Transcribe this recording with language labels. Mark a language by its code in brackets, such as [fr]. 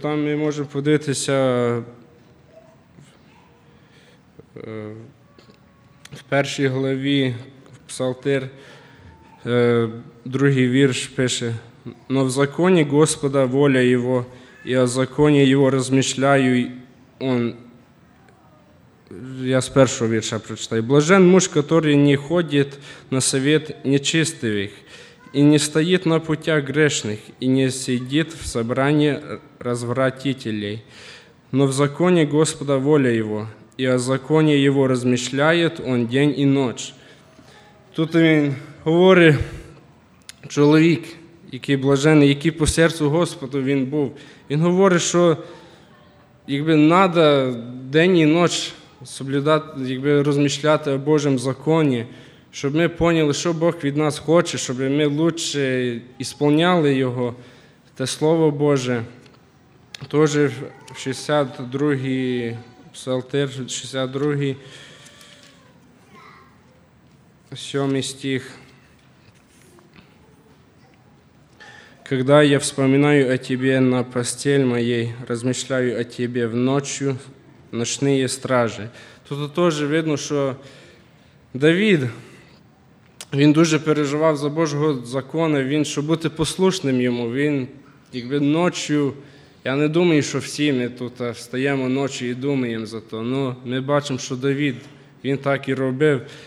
[uk] Там ми можемо подивитися в першій главі, в Псалтир, другий вірш пише: «Но в законі Господа воля Його, і о законі Його розміщаю». Я з першого вірша прочитаю. [ru] «Блажен муж, который не ходит на совет нечистивих, и не стоит на путях грешных, и не сидит в собрании развратителей. Но в законе Господа воля его, и о законе его размышляет он день и ночь». [uk] Тут він говорить, чоловік, який блажений, який по серцю Господу він був, він говорить, що якби надо день і ніч розміщати о Божім законі, щоб ми поняли, що Бог від нас хоче, щоб ми краще ісполняли Його, те Слово Боже. Тож в 62-й псалтир, 62-й, 7-й стих. [ru] «Когда я вспоминаю о Тебе на постель моей, размышляю о Тебе в ночью, ночные стражи». [uk] Тут теж видно, що Давид, він дуже переживав за Божого закону, він, щоб бути послушним йому, він якби ночью, я не думаю, що всі ми тут встаємо ночі і думаємо за то, але ми бачимо, що Давид, він так і робив.